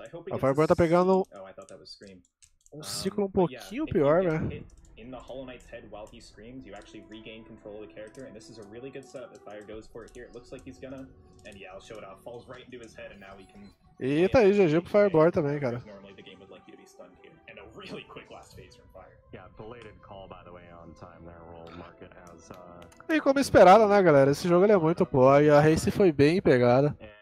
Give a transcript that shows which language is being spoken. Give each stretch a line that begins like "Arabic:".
Portuguese: A Fireboar tá pegando um ciclo um pouquinho pior, né?
English: in the Hollow Knight's head while he screams, you actually regain control of the character, and this is a really good setup if Fire goes for it here. It looks like he's gonna, and yeah, I'll show it off. Falls right into his head, and now he can...
Portuguese: Eita, aí, GG pro Fireblower também, cara.
English: Normally the game would like you to be stunned here. And a really quick last phase from Fire. Yeah, belated call, by the way, on time there. Roll market has,
Portuguese: E como esperado, né, galera? Esse jogo ele é muito pô, e a race foi bem pegada.